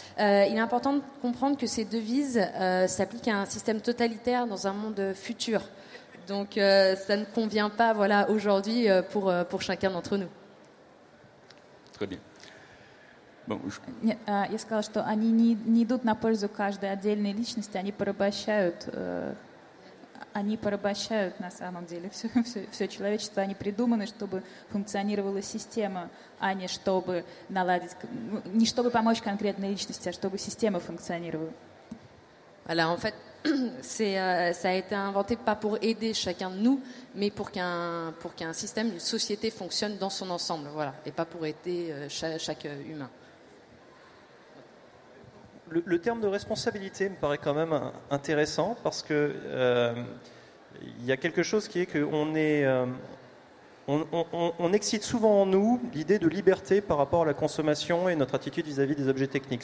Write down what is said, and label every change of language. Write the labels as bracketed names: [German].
[French] Il est important de comprendre que ces devises s'appliquent à un système totalitaire dans un monde futur. Donc ça ne convient pas, voilà, aujourd'hui pour chacun d'entre nous. Très bien. [Russian] Bon, я сказала, что они не идут на пользу каждой отдельной личности, они порабощают на самом деле все человечество. Они придуманы, чтобы функционировала система, а не чтобы наладить, не чтобы помочь конкретной личности, а чтобы система функционировала. [French] Voilà, en fait, ça a été inventé pas pour aider chacun de nous, mais pour qu'un système, une société fonctionne dans son ensemble, voilà, et pas pour aider chaque humain. Le terme de responsabilité me paraît quand même intéressant, parce que il y a quelque chose qui est qu'on est, on excite souvent en nous l'idée de liberté par rapport à la consommation et notre attitude vis-à-vis des objets techniques.